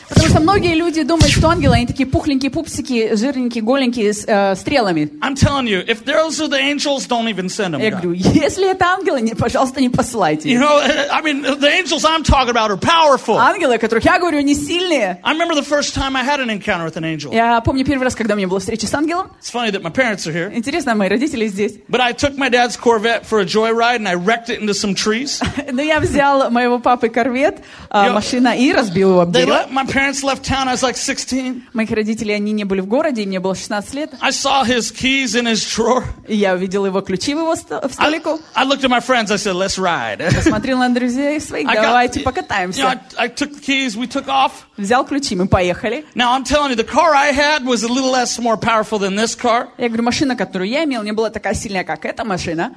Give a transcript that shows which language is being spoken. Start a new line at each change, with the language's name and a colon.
Russian: Потому что многие люди думают, что ангелы они такие пухленькие пупсики, жирненькие, голенькие с стрелами.
English: I'm telling you, if those are the angels, don't even send them.
Russian: Я говорю, если это ангелы, пожалуйста, не посылайте.
English: You know, I mean, the angels I'm talking about. Powerful.
Russian: Ангелы, о которых я говорю, они сильные.
English: I remember the first time I had an encounter with an angel.
Russian: Я помню первый раз, когда у меня была встреча с ангелом.
English: It's funny that my parents are here.
Russian: Интересно, мои родители здесь.
English: But I took my dad's Corvette for a joyride and I wrecked it into some trees.
Russian: Но я взял моего папы Корвет, машина и разбил его об дерево.
English: My parents left town. I was like 16.
Russian: Моих родителей они не были в городе, мне было 16 лет.
English: I saw his keys in his drawer.
Russian: Я увидел его ключи в его столику.
English: I looked at my friends. I said, "Let's ride."
Russian: Посмотрел на друзей своих. Давайте покатаемся.
English: You know, I took the keys, we took off.
Russian: Взял ключи, мы поехали.
English: Now I'm telling you, the car I had was a little less more powerful than this car.
Russian: Я говорю, машина, которую я имел, не была такая сильная, как эта машина.